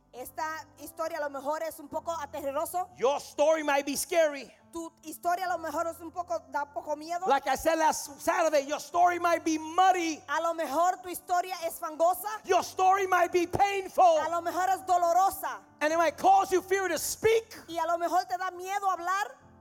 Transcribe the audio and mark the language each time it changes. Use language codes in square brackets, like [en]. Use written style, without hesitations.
[es] Esta historia a lo mejor es un poco aterroroso. [en] Your story might be scary. [es] Tu historia a lo mejor es un poco da poco miedo. [en] Like I said last Saturday, your story might be muddy. [es] A lo mejor tu historia es fangosa. [en] Your story might be painful. [es] A lo mejor es dolorosa. [en] And it might cause you fear to speak. [es] Y a lo mejor te da miedo hablar.